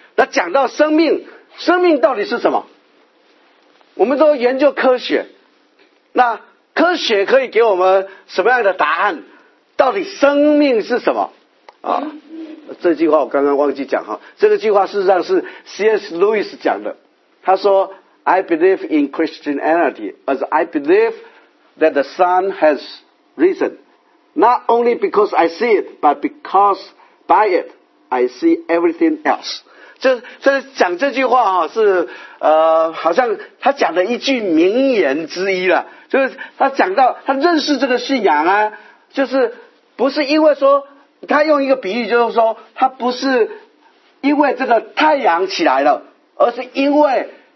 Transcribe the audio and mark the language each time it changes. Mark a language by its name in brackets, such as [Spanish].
[Chinese] 那讲到生命，生命到底是什么？我们都研究科学，那科学可以给我们什么样的答案？到底生命是什么啊？这句话我刚刚忘记讲哈，这个句话事实上是 C.S. Lewis 讲的。他说 [English] ：“I believe in Christianity as I believe that the sun has risen, not only because I see it, but because by it I see everything else。” [Chinese] 这讲这句话哈是好像他讲的一句名言之一了，就是他讲到他认识这个信仰啊，就是不是因为说。他用一个比喻，就是说他不是因为这个太阳起来了，而是因为